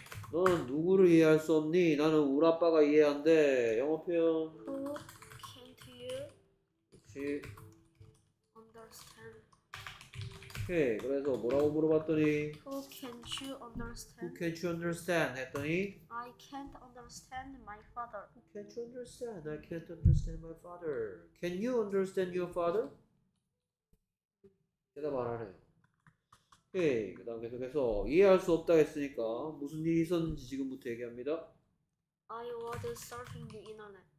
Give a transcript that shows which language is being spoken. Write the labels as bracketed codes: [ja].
[ko] 너는 누구를 이해할 수 없니? 나는 우리 아빠가 이해 안 돼. 영어 표현. [en] Who can't you [ko] 그렇지. [en] understand? [ko] 오케이. 그래서 뭐라고 물어봤더니 [en] Who can't you Who understand? can't you understand? [ko] 했더니 [en] I can't understand my father. Who can't you understand? I can't understand my father. Can you understand your father? [ko] 대답 안 하네요. 오케이, 그 다음 계속해서 이해할 수 없다 했으니까 무슨 일이 있었는지 지금부터 얘기합니다. [en] I was surfing the internet.